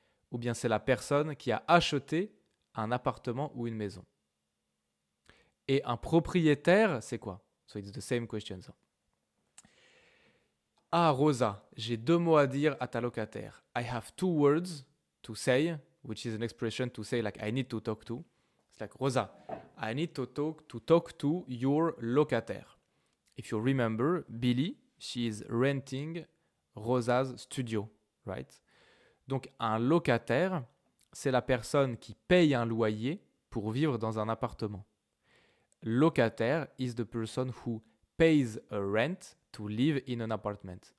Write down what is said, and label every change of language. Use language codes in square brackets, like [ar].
[fr] Ou bien c'est la personne qui a acheté un appartement ou une maison. Et un propriétaire, c'est quoi? [en] So it's the same questions. [fr] Ah, Rosa, j'ai deux mots à dire à ta locataire. [en] I have two words to say, which is an expression to say like I need to talk to. C'est like Rosa, I need to talk to your locataire. If you remember, Billy, she is renting Rosa's studio, right? [fr] Donc, un locataire, c'est la personne qui paye un loyer pour vivre dans un appartement. [en] Locataire is the person who pays a rent to live in an apartment.